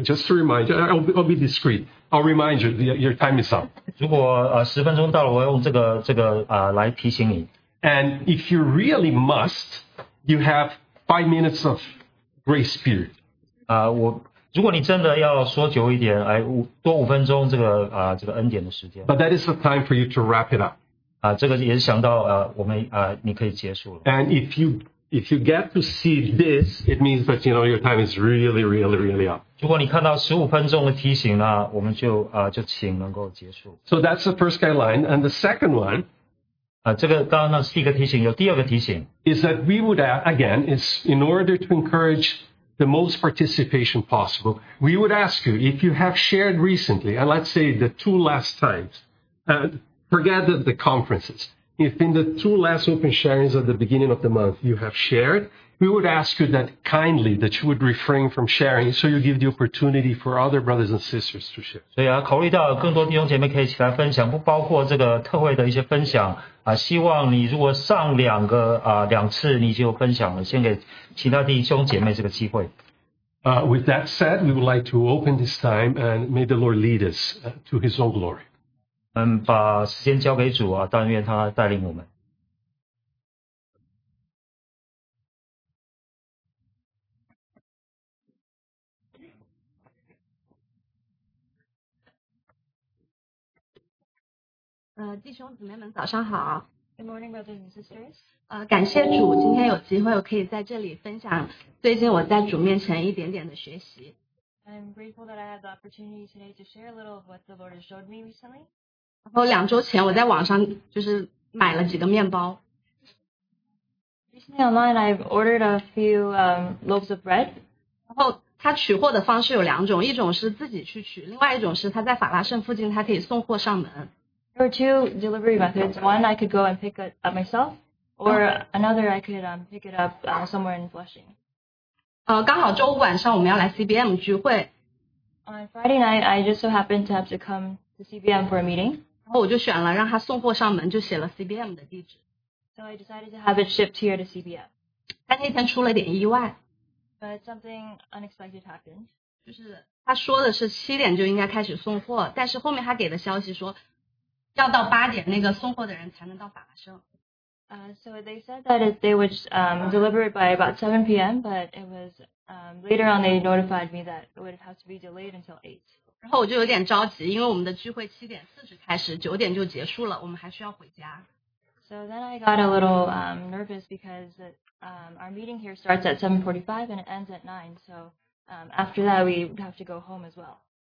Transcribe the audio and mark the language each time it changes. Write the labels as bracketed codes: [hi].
[en] Just to remind you, I'll be discreet. I'll remind you, your time is up. [zh] 如果十分钟到了，我用这个来提醒你。 [en] And if you really must, you have 5 minutes of grace period. [zh] 如果你真的要说久一点，多五分钟这个恩典的时间。 [en] But that is the time for you to wrap it up. [zh] 这个也是想到我们你可以结束了。 [en] And if you get to see this, it means that you know your time is really, really, really up. [zh] 如果你看到15分钟的提醒呢，我们就就请能够结束。 [en] So that's the first guideline, and the second one. [zh] 这个刚刚那是第一个提醒，有第二个提醒。 [en] Is that we would ask again? Is in order to encourage the most participation possible. We would ask you if you have shared recently, and let's say the two last times. Forget the conferences. If in the two last open sharings at the beginning of the month you have shared, we would ask you that kindly that you would refrain from sharing so you give the opportunity for other brothers and sisters to share. [zh] 对啊，考虑到更多弟兄姐妹可以起来分享，不包括这个特会的一些分享啊，希望你如果上两个两次你就分享了，先给其他弟兄姐妹这个机会。 [en] With that said, we would like to open this time and may the Lord lead us to His own glory. [zh] 把时间交给主啊，但愿他带领我们。弟兄姊妹们早上好。 [en] Good morning, brothers and sisters. [zh] 感谢主，今天有机会我可以在这里分享最近我在主面前一点点的学习。 [en] I'm grateful that I had the opportunity today to share a little of what the Lord has showed me recently. [zh] 然后两周前我在网上就是买了几个面包。 [en] Recently online, I've ordered a few loaves of bread. [zh] 然后他取货的方式有两种，一种是自己去取，另外一种是他在法拉盛附近他可以送货上门。 [en] There were two delivery methods. One, I could go and pick it up myself, or another, I could pick it up somewhere in Flushing. [zh] 刚好周五晚上我们要来 CBM 聚会。 [en] On Friday night, I just so happened to have to come to CBM for a meeting. [zh] 然后我就选了让他送货上门，就写了 CBM 的地址。 [en] So I decided to have it shipped here to CBM. [zh] 但那天出了点意外。 [en] But something unexpected happened. [zh] 就是他说的是七点就应该开始送货，但是后面他给的消息说要到八点，那个送货的人才能到法拉盛。 [en] So they said that they would deliver it by about 7 p.m., but it was later on they notified me that it would have to be delayed until 8. [zh] 然后我就有点着急，因为我们的聚会七点四十开始，九点就结束了，我们还需要回家。 [en] So then I got a little nervous because our meeting here starts at 7:45 and it ends at 9. So after that we would have to go home as well.